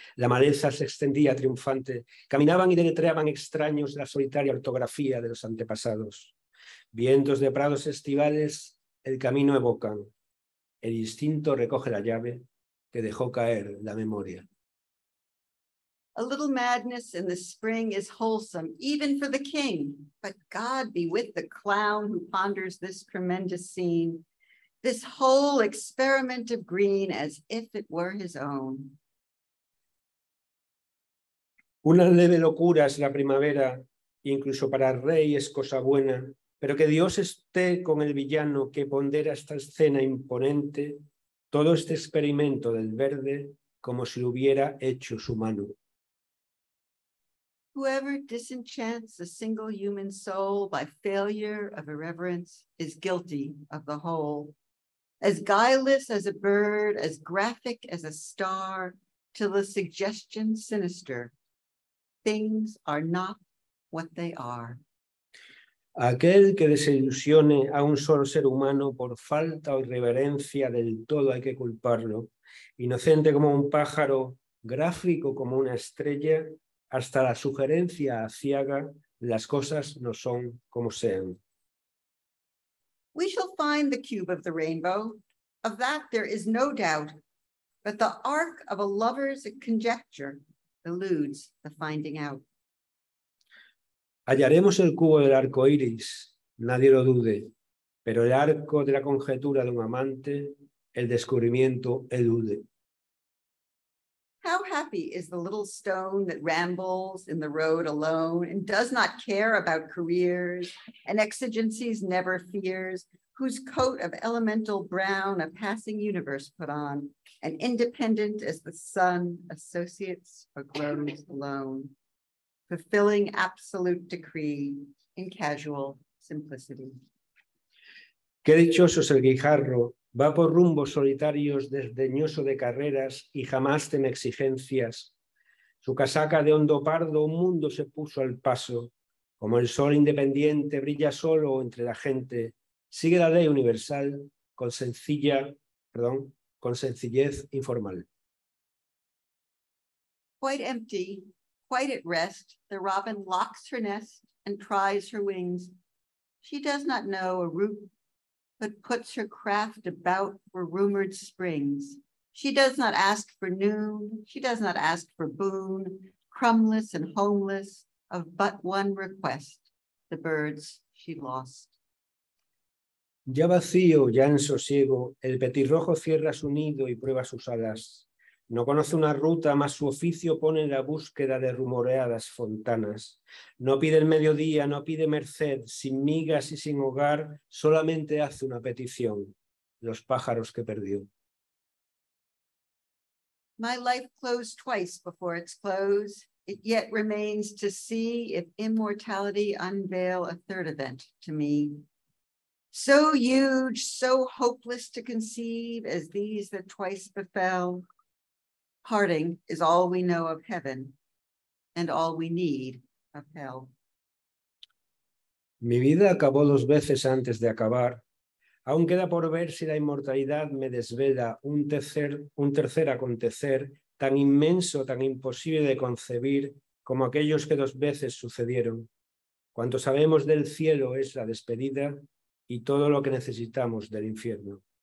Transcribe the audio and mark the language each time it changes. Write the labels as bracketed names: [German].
[Spanish] La maleza se extendía triunfante, caminaban y deletreaban extraños la solitaria ortografía de los antepasados. Vientos de prados estivales el camino evocan. El instinto recoge la llave que dejó caer la memoria. [English] A little madness in the spring is wholesome, even for the king. But God be with the clown who ponders this tremendous scene, this whole experiment of green as if it were his own. [Spanish] Una leve locura es la primavera, incluso para rey es cosa buena, pero que Dios esté con el villano que pondera esta escena imponente, todo este experimento del verde como si lo hubiera hecho su mano. [English] Whoever disenchants a single human soul by failure of irreverence is guilty of the whole. As guileless as a bird, as graphic as a star, till the suggestion sinister. Things are not what they are. [Spanish] Aquel que desilusione a un solo ser humano por falta o irreverencia del todo hay que culparlo. Inocente como un pájaro, gráfico como una estrella, hasta la sugerencia aciaga, las cosas no son como sean. [English] We shall find the cube of the rainbow. Of that there is no doubt. But the arc of a lover's conjecture eludes the finding out. [Spanish] Hallaremos el cubo del arco iris, nadie lo dude. Pero el arco de la conjetura de un amante, el descubrimiento elude. [English] How happy is the little stone that rambles in the road alone and does not care about careers and exigencies never fears, whose coat of elemental brown a passing universe put on, and independent as the sun associates or grows alone, fulfilling absolute decree in casual simplicity. [Spanish] Qué dichoso es el guijarro. Va por rumbos solitarios, desdeñoso de carreras y jamás teme exigencias. Su casaca de hondo pardo, un mundo se puso al paso. Como el sol independiente brilla solo entre la gente, sigue la ley universal con sencillez informal. [English] Quite empty, quite at rest, the robin locks her nest and tries her wings. She does not know a root, but puts her craft about for rumored springs. She does not ask for noon, she does not ask for boon, crumbless and homeless of but one request, the birds she lost. [Spanish] Ya vacío, ya en sosiego, el petirrojo cierra su nido y prueba sus alas. No conoce una ruta, mas su oficio pone en la búsqueda de rumoreadas fontanas. No pide el mediodía, no pide merced, sin migas y sin hogar, solamente hace una petición, los pájaros que perdió. [English] My life closed twice before its close. It yet remains to see if immortality unveil a third event to me. So huge, so hopeless to conceive as these that twice befell. Parting is all we know of heaven and all we need of hell. [Spanish] Mi vida acabó dos veces antes de acabar. Aún queda por ver si la inmortalidad me desvela un tercer acontecer tan inmenso, tan imposible de concebir como aquellos que dos veces sucedieron. Cuanto sabemos del cielo es la despedida y todo lo que necesitamos del infierno.